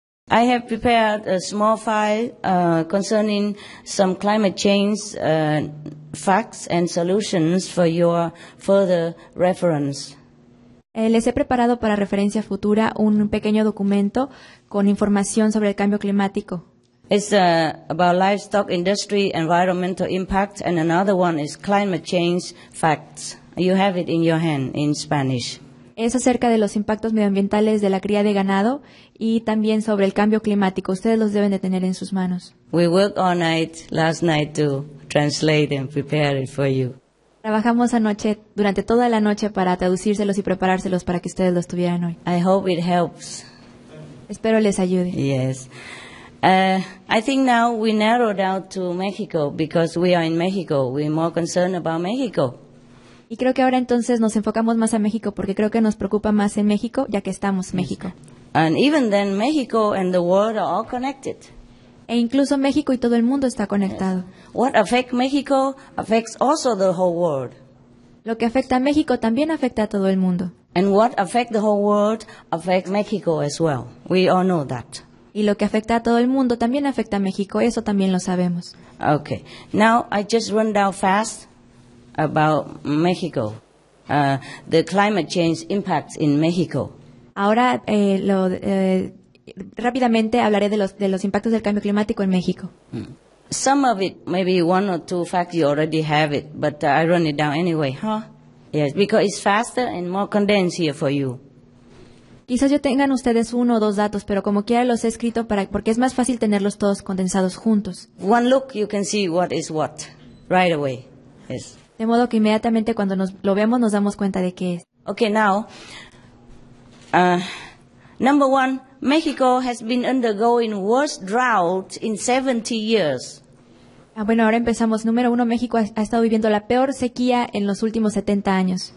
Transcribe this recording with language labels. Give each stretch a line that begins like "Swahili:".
English: I have prepared a small file concerning some climate change facts and solutions for your further reference.
Spanish: Les he preparado para referencia futura un pequeño documento con información sobre el cambio climático.
English: It's about livestock industry, environmental impact, and another one is climate change facts. You have it in your hand in Spanish.
Spanish: Es acerca de los impactos medioambientales de la cría de ganado y también sobre el cambio climático. Ustedes los deben de tener en sus manos.
English: We worked all night last night to translate and prepare it for you.
Spanish: Trabajamos anoche, durante toda la noche, para traducírselos y preparárselos para que ustedes los tuvieran hoy.
English: I hope it helps.
Spanish: Espero les ayude.
English: Yes. I think now we narrowed down to Mexico because we are in Mexico. We're more concerned about Mexico.
Spanish: Y creo que ahora entonces nos enfocamos más a México porque creo que nos preocupa más en México ya que estamos México.
English: And even then, Mexico and the world are all connected.
Spanish: E incluso México y todo el mundo está conectado.
English: Yes. What affects Mexico affects also the whole world.
Spanish: Lo que afecta a México también afecta a todo el mundo.
English: And what affects the whole world affects Mexico as well. We all know that.
Spanish: Y lo que afecta a todo el mundo también afecta a México. Eso también lo sabemos.
English: Okay. Now I just run down fast about Mexico, the climate change impacts in Mexico.
Spanish: Ahora rápidamente hablaré de los impactos del cambio climático en México.
English: Some of it, maybe one or two facts you already have it, but I run it down anyway, huh? Yes, because it's faster and more condensed here for you.
Spanish: Quizás yo tengan ustedes uno o dos datos, pero como quiera los he escrito porque es más fácil tenerlos todos condensados juntos.
English: One look, you can see what is what, right away. Yes.
Spanish: De modo que inmediatamente cuando lo vemos nos damos cuenta de qué es.
English: Okay, now, number one, Mexico has been undergoing worst drought in 70 years.
Spanish: Bueno, ahora empezamos. Número uno, México ha estado viviendo la peor sequía en los últimos 70 años.